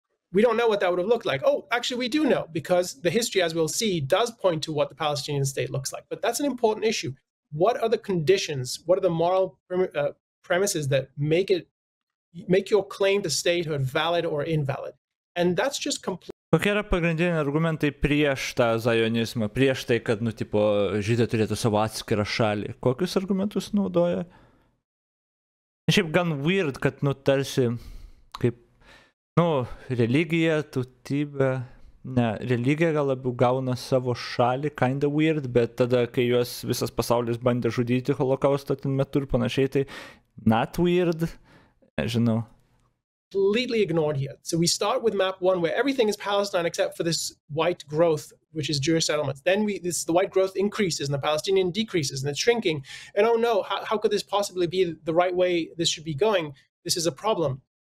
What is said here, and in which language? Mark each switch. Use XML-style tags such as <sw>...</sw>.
<en>We don't know what that would have looked like. Oh, actually, we do know, because the history, as we'll see, does point to what the Palestinian state looks like. But that's an important issue. What are the conditions? What are the moral premises that make your claim to statehood valid or invalid? And that's just complete.</en> <lt>Kokie yra pagrindiniai argumentai prieš tą zionizmą, prieš tai, kad, nu, tipo, žydė turėtų savo atskirą šalį? Kokius argumentus naudoja? Šiaip gan weird, kad, nu, tarsi, kaip, nu, religija, tautybė, ne, religija gal labiau gauna savo šalį, kinda weird, bet tada, kai juos visas pasaulis bandė žudyti holokausto ten metu ir panašiai, tai not weird, nežinau.</lt> <en>Completely ignored here. So we start with map one, where everything is Palestine except for this white growth, which is Jewish settlements. Then the white growth increases and the Palestinian decreases and it's shrinking. And oh no, how could this possibly be the right way this should be going? this is a problem.</en>